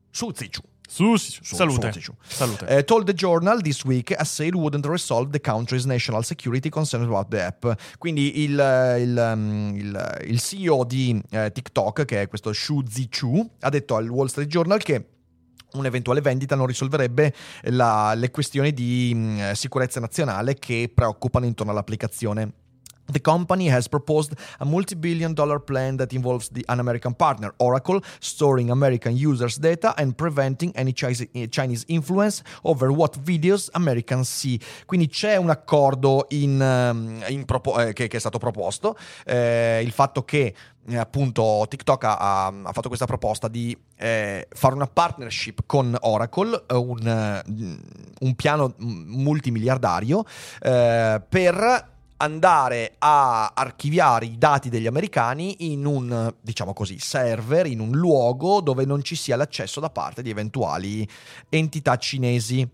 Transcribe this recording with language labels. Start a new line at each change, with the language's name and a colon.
English: Told the journal this week a sale wouldn't resolve the country's national security concerns about the app.
Italian: Quindi il CEO di TikTok, che è questo Xu Zichu, ha detto al Wall Street Journal che un'eventuale vendita non risolverebbe le questioni di sicurezza nazionale che preoccupano intorno all'applicazione.
English: The company has proposed a multi-billion dollar plan that involves an American partner, Oracle, storing American users' data and preventing any Chinese influence over what videos Americans see.
Italian: Quindi c'è un accordo che è stato proposto, il fatto che appunto TikTok ha fatto questa proposta di fare una partnership con Oracle, un piano multimiliardario per andare a archiviare i dati degli americani in un, diciamo così, server, in un luogo dove non ci sia l'accesso da parte di eventuali entità cinesi.